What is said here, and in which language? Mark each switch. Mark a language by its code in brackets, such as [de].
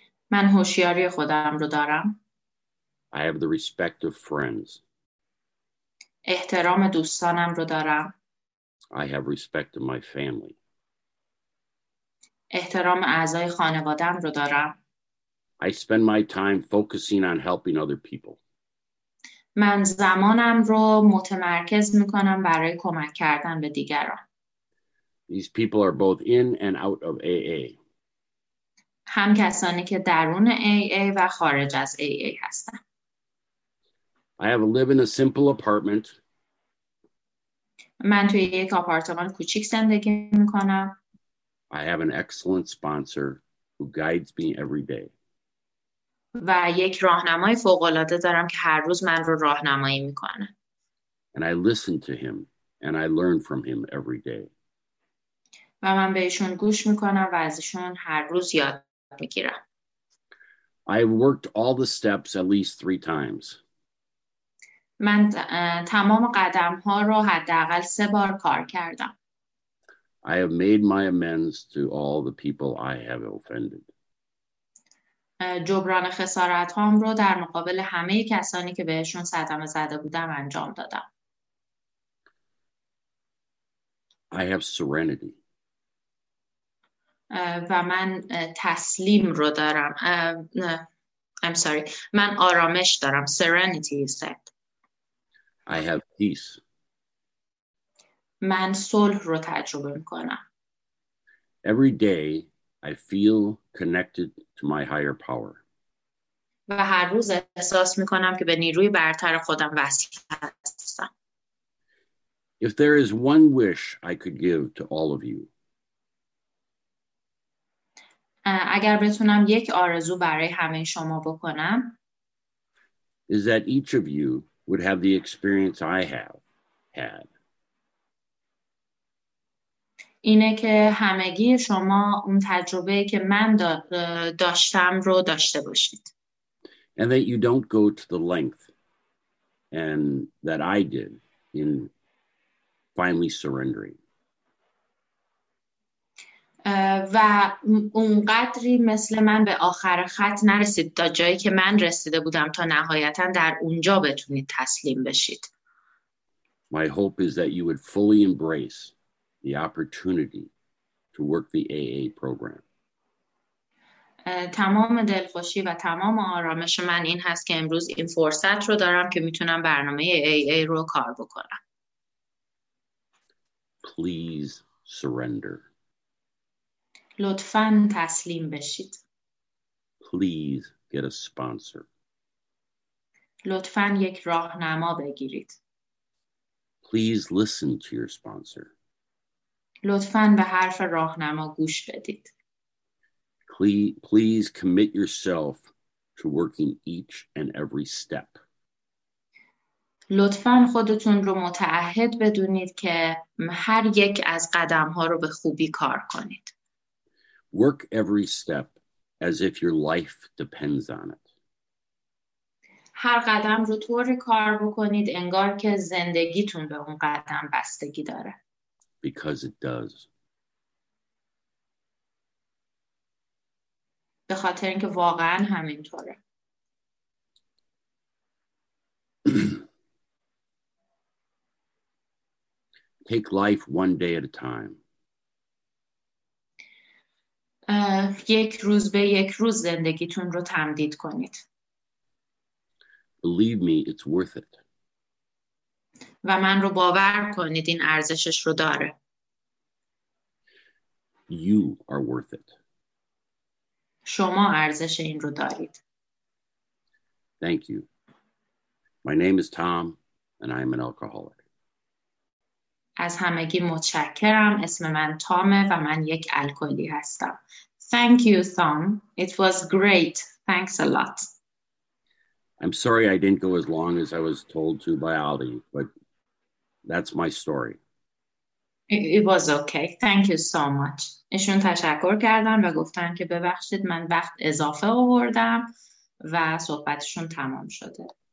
[fa] من هوشیاری خودم رو دارم. [en] I have the respect of friends. [fa] احترام دوستانم رو دارم. [en] I have respect of my family. [fa] احترام اعضای خانوادم رو دارم. [en] I spend my time focusing on helping other people. [fa] من زمانم رو متمرکز میکنم برای کمک کردن به دیگران. [en] These people are both in and out of AA. [fa] هم کسانی که درون AA و خارج از AA هستن. [en] I have live in a simple apartment. [fa] من توی یک آپارتمان کوچیک زندگی میکنم. [en] I have an excellent sponsor who guides me every day. [fa] و یک راهنمای فوق‌العاده دارم که هر روز من رو راهنمایی میکنه. [en] And I listen to him and I learn from him every day. [fa] و من بهشون گوش میکنم و ازشون هر روز یاد میگیرم. [en] I have worked all the steps at least 3 times. [fa] من تمام قدم‌ها رو حداقل 3 بار کار کردم. [en] I have made my amends to all the people I have offended. [fa] جبران خسارت‌هام رو در مقابل همه کسانی که بهشون صدمه زده بودم انجام دادم. [en] I have serenity. [fa] و من تسلیم رو دارم. [en] I'm sorry. [fa] من آرامش دارم. [en] Serenity you said. I have peace. [fa] من صلح رو تجربه میکنم. [en] Every day I feel connected to my higher power. [fa] و هر روز احساس میکنم که به نیروی برتر خودم وصل هستم. [en] If there is one wish I could give to all of you. [fa] اگر بتونم یک آرزو برای همه شما بکنم. [en] Is that each of you would have the experience I have had. [fa] اینه که همگی شما اون تجربه که من داشتم رو داشته باشید. [en] And that you don't go to the length and that I did in finally surrendering. [fa] و اونقدری مثل من به آخر خط نرسید تا جایی که من رسیده بودم تا نهایتا در اونجا بتونید تسلیم بشید. [en] My hope is that you would fully embrace the opportunity to work the AA program. [fa] تمام دلخوشی و تمام آرامش من این هست که امروز این فرصت رو دارم که میتونم برنامه AA رو کار بکنم. [en] Please surrender. [fa] لطفاً تسلیم بشید. [en] Please get a sponsor. [fa] لطفاً یک راهنما بگیرید. [en] Please listen to your sponsor. [fa] لطفاً به حرف راهنما گوش بدید. [en] Please commit yourself to working each and every step. [fa] لطفاً خودتون رو متعهد بدونید که هر یک از قدم‌ها رو به خوبی کار کنید. [en] Work every step as if your life depends on it. [fa] هر قدم رو طوری کار بکنید انگار که زندگیتون به اون قدم بستگی داره. [en] Because it does. [fa] به خاطر اینکه واقعا همینطوره. [en] Take life one day at a time. [fa] یک روز به یک روز زندگیتون رو تمدید کنید. [en] Believe me, it's worth it. [fa] و من رو باور کنید این ارزشش رو داره. [en] You are worth it. [fa] شما ارزش این رو دارید. [en] Thank you. My name is Tom and I am an alcoholic. [fa] از همگی متشکرم. اسم من تامه و من یک الکلی هستم. [en] Thank you, Tom. It was great. Thanks a lot. I'm sorry I didn't go as long as I was told to by Ali, but that's my story. It was okay. Thank you so much. [fa] ایشون تشکر کردن و گفتن که ببخشید من وقت اضافه آوردم و صحبتشون تمام شده.